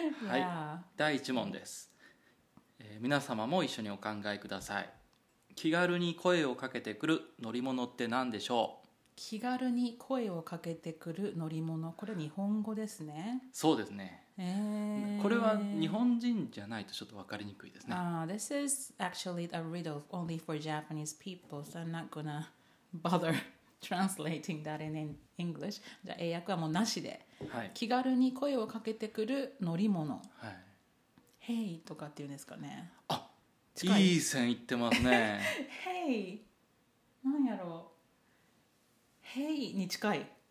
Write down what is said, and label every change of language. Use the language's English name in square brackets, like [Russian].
[Japanese] はい、第1問です、皆様も一緒にお考えください。気軽に声をかけてくる乗り物って何でしょう。気軽に声をかけてくる乗り物、これ日本語ですね。そうですね、これは日本人じゃないとちょっと分かりにくいですね。 [English] This is actually a riddle only for Japanese people, so I'm not gonna bother translating that in English. [Japanese] じゃあ英訳はもうなしで、はい、気軽に声をかけてくる乗り物、はい、 Hey とかっていうんですかね。あ、近い、いい線いってますね。 Hey、 なんやろう、 Hey に近い。